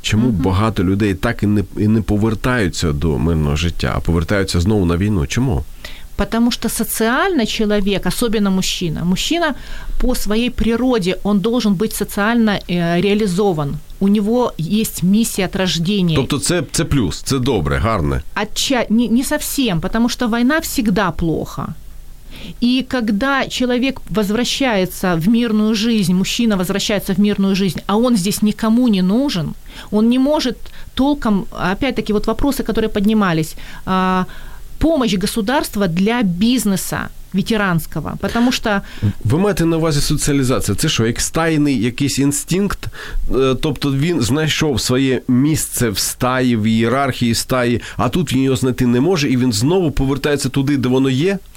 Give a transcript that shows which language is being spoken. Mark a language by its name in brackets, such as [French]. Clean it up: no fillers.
[Ukrainian] Чому багато людей так і не повертаються до мирного життя, а повертаються знову на війну? Чому? [Russian] Потому что социально человек, особенно мужчина, мужчина по своей природе, он должен быть социально реализован. У него есть миссия от рождения. То есть это плюс, это доброе, гарное. Не совсем, потому что война всегда плохо. И когда человек возвращается в мирную жизнь, мужчина возвращается в мирную жизнь, а он здесь никому не нужен, он не может толком, опять-таки, вот вопросы, которые поднимались, помощь государства для бизнеса ветеранского, потому что... Вы имеете [Ukrainian] на увазі [Russian] социализация? Это что, стайный якийсь инстинкт? [Ukrainian] Тобто він знайшов своє місце в стаї, в ієрархії стаї, а тут він його знайти не може, і він знову повертається туди, де воно є?